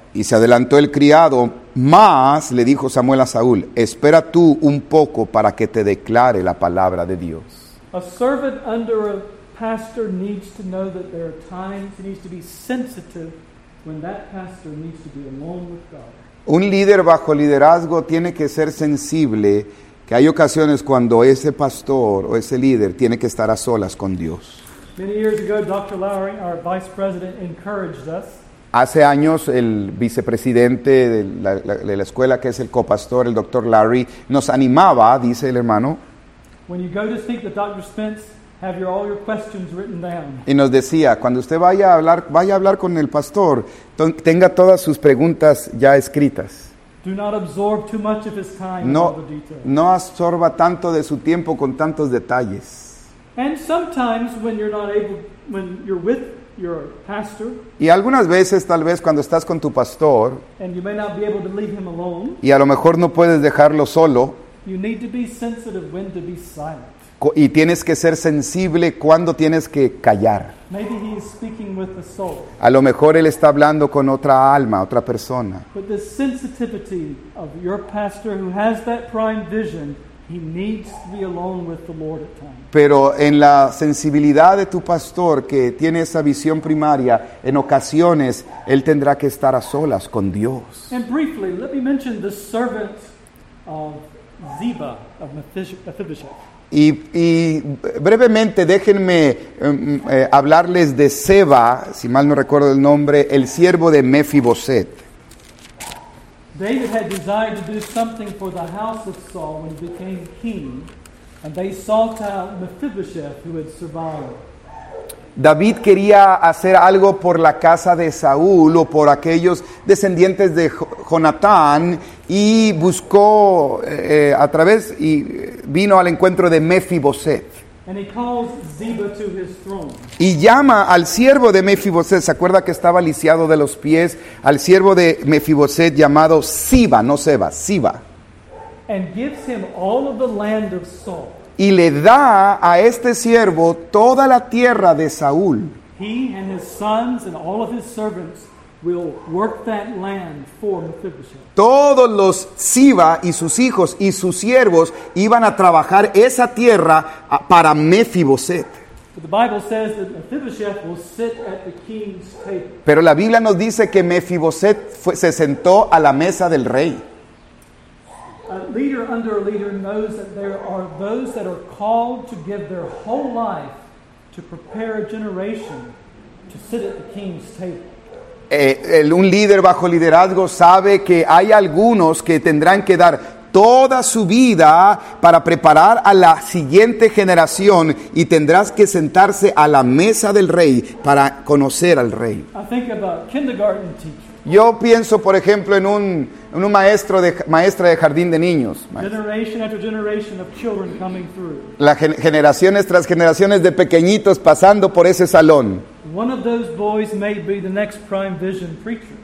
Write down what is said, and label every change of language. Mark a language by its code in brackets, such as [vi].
[es] Y se adelantó el criado, más le dijo Samuel a Saúl, espera tú un poco para que te declare la palabra de Dios. [en] A servant under a pastor needs to know that there are times he needs to be sensitive when that pastor needs to be alone with God. [es] Un líder bajo liderazgo tiene que ser sensible que hay ocasiones cuando ese pastor o ese líder tiene que estar a solas con Dios. [en] Many years ago, Dr. Lowry, our vice president, encouraged us. [es] Hace años el vicepresidente de la escuela, que es el copastor, el Dr. Larry, nos animaba, dice el hermano. [en] When you go to speak to Dr. Spence, have all your questions written down. [es] Y nos decía, cuando usted vaya a hablar con el pastor, tenga todas sus preguntas ya escritas. [en] Do not absorb too much of his time. [es] No absorba tanto de su tiempo con tantos detalles. [en] And sometimes when you're with your pastor. [es] Y algunas veces, tal vez, cuando estás con tu pastor. [en] And you may not be able to leave him alone. [es] Y a lo mejor no puedes dejarlo solo. [en] You need to be sensitive when to be silent. [es] Y tienes que ser sensible cuando tienes que callar. [en] Maybe he is speaking with the soul. [es] A lo mejor él está hablando con otra alma, otra persona. [en] But the sensitivity of your pastor who has that prime vision. He needs to be alone with the Lord at times. [es] Pero en la sensibilidad de tu pastor que tiene esa visión primaria, en ocasiones él tendrá que estar a solas con Dios. [en] And briefly, let me mention the servant of Ziba of Mephibosheth. [es] Y brevemente déjenme hablarles de Seba, si mal no recuerdo el nombre, el siervo de Mefiboset. [en] David had desired to do something for the house of Saul when he became king, and they sought out Mephibosheth, who had survived. [es] David quería hacer algo por la casa de Saúl o por aquellos descendientes de Jonatán y buscó a través y vino al encuentro de Mefiboset. [en] And he calls Ziba to his throne. [es] Y llama al siervo de Mefiboset, se acuerda que estaba lisiado de los pies, al siervo de Mefiboset llamado Ziba, no Seba, Ziba. [en] And gives him all of the land of Saul. [es] Y le da a este siervo toda la tierra de Saúl. [en] He and his sons and all of his servants will work that land for Mephibosheth. [es] Todos los Ziba y sus hijos y sus siervos iban a trabajar esa tierra para Mefiboset. [en] But the Bible says that Mephibosheth will sit at the king's table. [es] Pero la Biblia nos dice que Mefiboset se sentó a la mesa del rey. [en] A leader under a leader knows that there are those that are called to give their whole life to prepare a generation to sit at the king's table. [es] Un líder bajo liderazgo sabe que hay algunos que tendrán que dar toda su vida para preparar a la siguiente generación y tendrás que sentarse a la mesa del rey para conocer al rey. [en] I think about kindergarten teachers. [es] Yo pienso, por ejemplo, en un maestra de jardín de niños. [en] Generation after generation of children coming through. [es] Generaciones tras generaciones de pequeñitos pasando por ese salón. [en] One of those boys may be the next prime vision preacher.